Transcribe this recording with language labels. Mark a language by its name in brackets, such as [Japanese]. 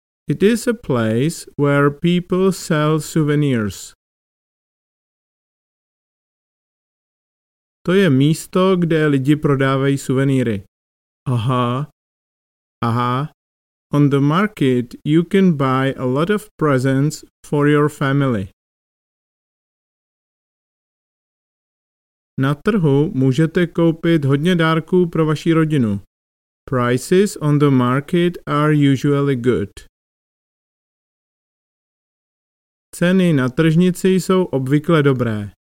[English] It is a place where people sell souvenirs. [Czech] To je místo, kde lidi prodávají suvenýry. Aha. Aha. [English] On the market you can buy a lot of presents for your family. [Czech] Na trhu můžete koupit hodně dárků pro vaši rodinu. [English] Prices on the market are usually good. [Czech] Ceny na tržnici jsou obvykle dobré.